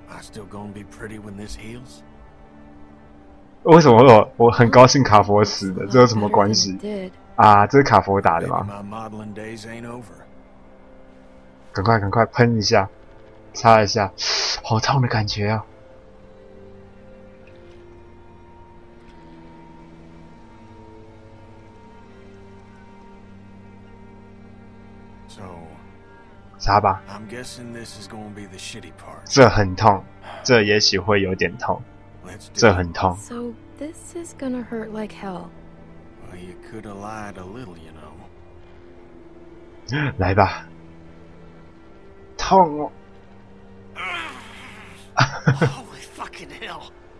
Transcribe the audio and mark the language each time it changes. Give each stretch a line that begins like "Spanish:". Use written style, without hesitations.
English: ！I still gonna be pretty when this heals.
Chinese: 为什么我很高兴卡佛死的？这有什么关系？啊，这是卡佛打的吗？
English: My modeling days ain't over.
Chinese: 赶快喷一下，擦一下，好痛的感觉啊！擦吧。
English: I'm guessing this is going to be the shitty part.
Chinese: 这很痛，这也许会有点痛。这很痛。
English: So this is going to hurt like hell. Well, you could have lied a little, you know.
Chinese: 来吧，痛哦！
English: Holy fucking hell!